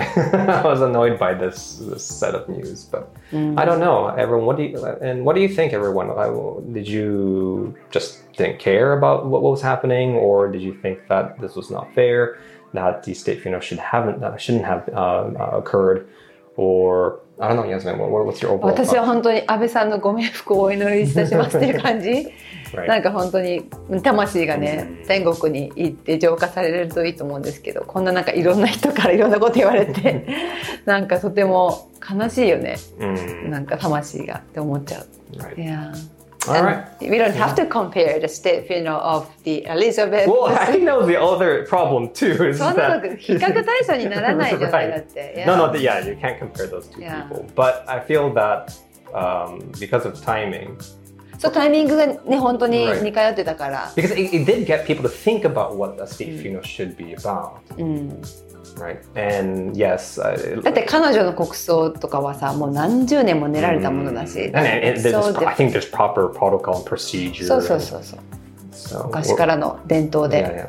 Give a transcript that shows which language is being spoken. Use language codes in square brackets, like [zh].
[en] I was annoyed by this set of news. But I don't know, everyone. What do you think, everyone? Did you just... didn't care about what was happening, or did you think that this was not fair, that the state funeral shouldn't have occurred, or I don't know, Yasmin, what's your overall thought? [ja] 私は本当に安倍さんのご冥福をお祈りいたしますっていう感じ。なんか本当に魂がね、天国に行って浄化されるといいと思うんですけど、こんななんかいろんな人からいろんなこと言われて、なんかとても悲しいよね。なんか魂がって思っちゃう。 [en] Yeah. All right. We don't have to compare the step, you know, of the Elizabeth. Well, I know the other problem too. Is that... you can't compare those two people. But I feel that because of timing. So timing is [ja] ね、本当に似通ってたから. [en] Right. Because it did get people to think about what a state funeral should be about. Right. And yes, [ja] だって彼女の国葬とかはさ、もう何十年も練られたものだし。 [en] I think there's proper protocol and procedure. [ja] そうそうそうそう。昔からの伝統で。